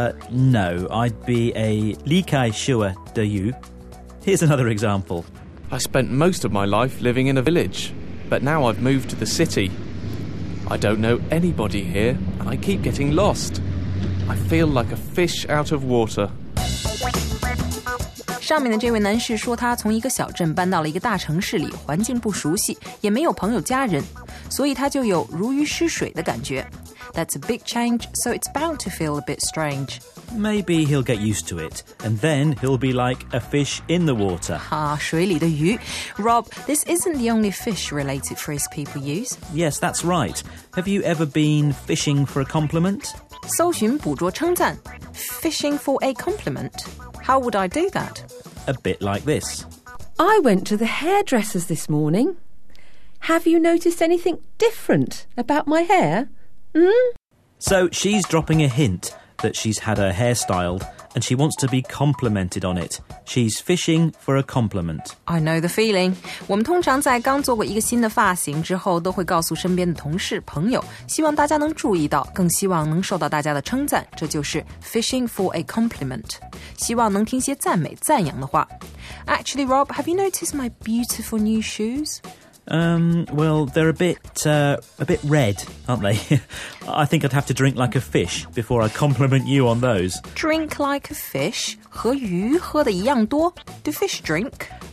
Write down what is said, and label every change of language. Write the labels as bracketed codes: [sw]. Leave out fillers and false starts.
[en] No, I'd be a [zh] 离开水的鱼. [en] Here's another example. I spent most of my life living in a village, but now I've moved to the city. I don't know anybody here, and I keep getting lost. I feel like a fish out of water. [zh] 上面的这位男士说他从一个小镇搬到了一个大城市里，环境不熟悉，也没有朋友家人，所以他就有如鱼失水的感觉。 [en] That's a big change, so it's bound to feel a bit strange. Maybe he'll get used to it, and then he'll be like a fish in the water. [zh] 哈、啊，水里的鱼。 [en] Rob, this isn't the only fish-related phrase people use. Yes, that's right. Have you ever been fishing for a compliment? [zh] 搜寻捕捉称赞。 [en] Fishing for a compliment? How would I do that? A bit like this. I went to the hairdresser's this morning. Have you noticed anything different about my hair? Hmm? So she's dropping a hint that she's had her hair styled and she wants to be complimented on it. She's fishing for a compliment. I know the feeling. [zh] 我们通常在刚做过一个新的发型之后都会告诉身边的同事、朋友希望大家能注意到更希望能受到大家的称赞这就是 [en] fishing for a compliment. [zh] 希望能听些赞美、赞扬的话。 [en] Actually, Rob, have you noticed my beautiful new shoes? Well, they're a bit red, aren't they? I think I'd have to drink like a fish before I compliment you on those. Drink like a fish? [zh] 和鱼喝的一样多? [en] Do fish drink?